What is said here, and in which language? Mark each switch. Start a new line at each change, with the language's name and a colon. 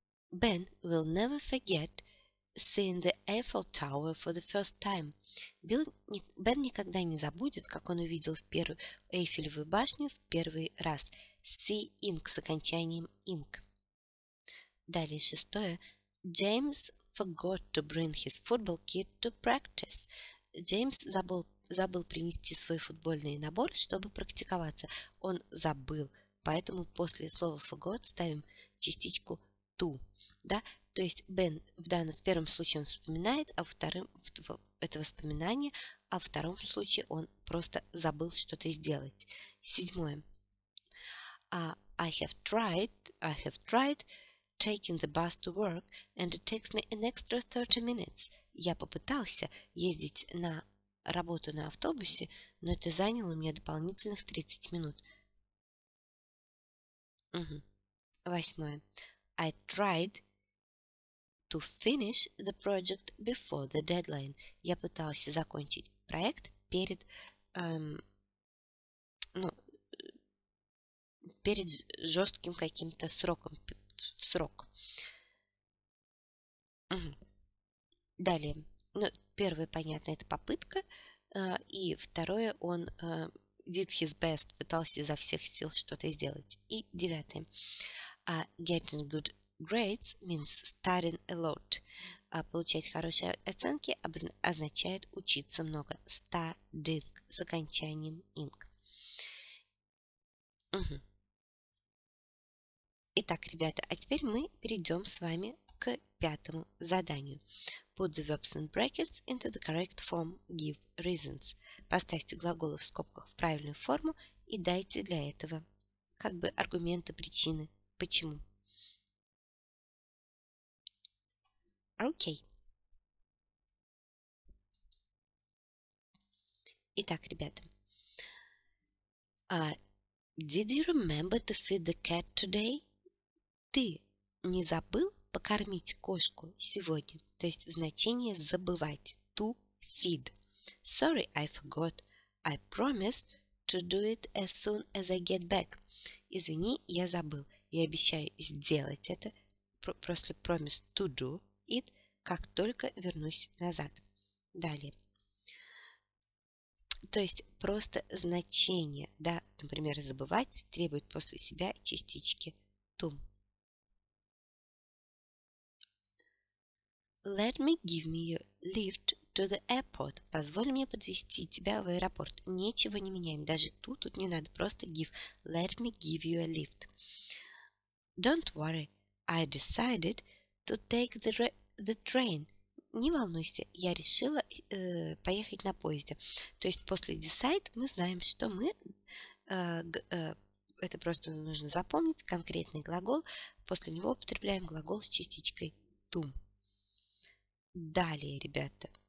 English: Ben will never forget seeing the Eiffel Tower for the first time.
Russian: Бен никогда не забудет, как он увидел Эйфелевую башню в первый раз. Seeing с окончанием ing. Далее шестое.
English: James forgot to bring his football kit to practice.
Russian: James забыл принести свой футбольный набор, чтобы практиковаться. Он забыл. Поэтому после слова forgot ставим частичку to. Да? То есть Бен в первом случае он вспоминает, а вторым это воспоминание, а во втором случае он просто забыл что-то сделать. Седьмое.
English: I have tried taking the bus to work, and it takes me an extra 30 minutes.
Russian: Я попытался ездить на работу на автобусе, но это заняло у меня дополнительных 30 минут. Угу. Восьмое.
English: I tried to finish the project before the deadline.
Russian: Я пытался закончить проект перед перед жестким каким-то сроком. Срок. Угу. Далее. Первое, понятно, это попытка. И второе, он
English: did his best,
Russian: пытался изо всех сил что-то сделать. И девятый.
English: Getting good grades means studying a lot.
Russian: Получать хорошие оценки означает учиться много. Studying с окончанием ing. Угу. Итак, ребята, а теперь мы перейдем с вами к пятому заданию.
English: Put the verbs in brackets into the correct form. Give reasons.
Russian: Поставьте глаголы в скобках в правильную форму и дайте для этого как бы аргументы, причины, почему. Окей. Итак, ребята.
English: Did you remember to feed the cat today?
Russian: Ты не забыл покормить кошку сегодня? То есть значение забывать.
English: To feed. Sorry, I forgot. I promise to do it as soon as I get back.
Russian: Извини, я забыл. Я обещаю сделать это. Просто
English: promise to do it,
Russian: как только вернусь назад. Далее. То есть просто значение, да, например, забывать требует после себя частички to.
English: Let me give me your lift to the airport.
Russian: Позволь мне подвести тебя в аэропорт. Ничего не меняем, даже тут не надо, просто give.
English: Let me give you a lift. Don't worry, I decided to take the train.
Russian: Не волнуйся, я решила поехать на поезде. То есть после decide мы знаем, что мы... это просто нужно запомнить, конкретный глагол. После него употребляем глагол с частичкой to. Далее, ребята.